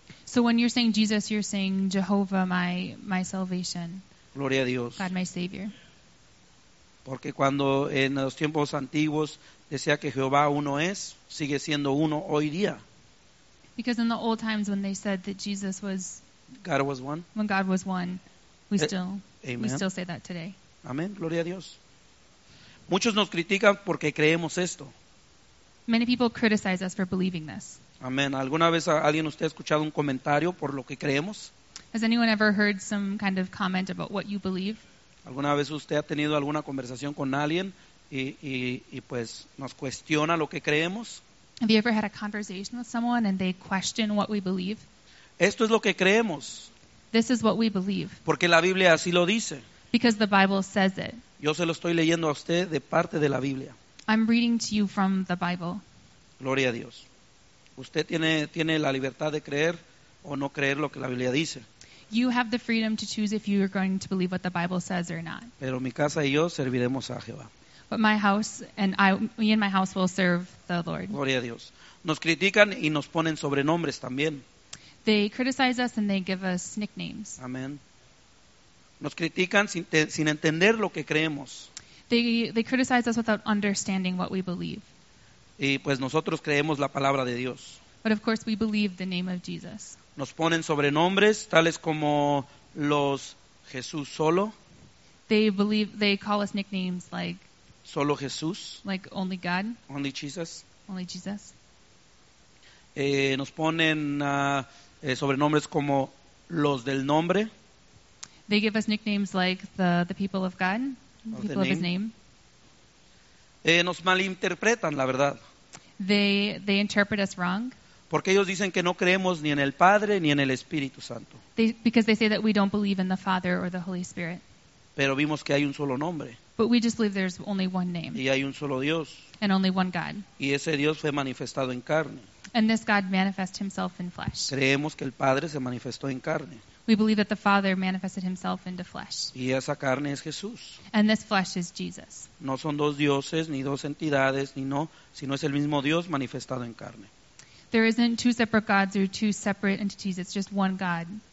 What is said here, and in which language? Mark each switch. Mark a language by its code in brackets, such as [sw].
[en] So when you're saying Jesus, you're saying Jehovah my salvation. [es] Gloria a Dios. [en] God my savior. [es] Porque cuando en los tiempos antiguos decía que Jehová uno es, sigue siendo uno hoy día. [en] Because in the old times when they said that Jesus was God was one. When God was one, we still say that today. [es] Amén. Gloria a Dios. Muchos nos critican porque creemos esto. [en] Many people criticize us for believing this. [es] Amén. ¿Alguna vez alguien usted ha escuchado un comentario por lo que creemos? [en] Has anyone ever heard some kind of comment about what you believe? [es] ¿Alguna vez usted ha tenido alguna conversación con alguien y pues nos cuestiona lo que creemos? [en] Have you ever had a conversation with someone and they question what we believe? [es] Esto es lo que creemos. [en] This is what we believe. [es] Porque la Biblia así lo dice. [en] Because the Bible says it. [es] Yo se lo estoy leyendo a usted de parte de la Biblia. [en] I'm reading to you from the Bible. [es] Gloria a Dios. Usted tiene la libertad de creer o no creer lo que la Biblia dice. [en] You have the freedom to choose if you are going to believe what the Bible says or not. [es] Pero mi casa y yo serviremos a Jehová. [en] But my house and I, me and my house will serve the Lord. [es] Gloria a Dios. Nos critican y nos ponen sobrenombres también. [en] They criticize us and they give us nicknames. [es] Amén. Nos critican sin entender lo que creemos. [en] They criticize us without understanding what we believe. [es] Y pues nosotros creemos la palabra de Dios. [en] But of course we believe the name of Jesus. [es] Nos ponen sobrenombres tales como los Jesús solo. [en] They call us nicknames like [es] solo Jesús. [en] Like only God. Only Jesus. Only Jesus. [es] Nos ponen sobrenombres como los del nombre. [en] They give us nicknames like the people of God. Of his name. [es] Nos malinterpretan, la verdad. [en] They interpret us wrong. [es] Porque ellos dicen que no creemos ni en el Padre ni en el Espíritu Santo. [en] Because they say that we don't believe in the Father or the Holy Spirit. [es] Pero vimos que hay un solo nombre. [en] But we just believe there's only one name. [es] Y hay un solo Dios. [en] And only one God. [es] Y ese Dios fue manifestado en carne. [en] And this God manifested himself in flesh. [es] Creemos que el Padre se manifestó en carne. [en] We believe that the Father manifested himself into flesh. [es] Y esa carne es Jesús. [en] And this flesh is Jesus. [es] No son dos dioses, ni dos entidades, ni no, sino es el mismo Dios manifestado en carne. [en] There isn't two separate gods or two separate entities, it's just one God.